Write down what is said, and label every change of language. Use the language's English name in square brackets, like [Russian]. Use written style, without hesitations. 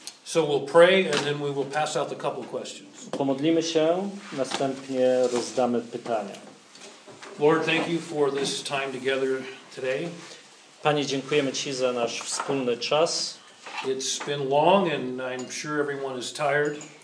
[English] So we'll pray and then we will pass out a couple questions. [Polish] Pomodlimy się, następnie rozdamy pytania. [English] Lord, thank you for this time together today. [Polish] Panie, dziękujemy ci za nasz wspólny czas. [English] It's been long and I'm sure everyone is tired.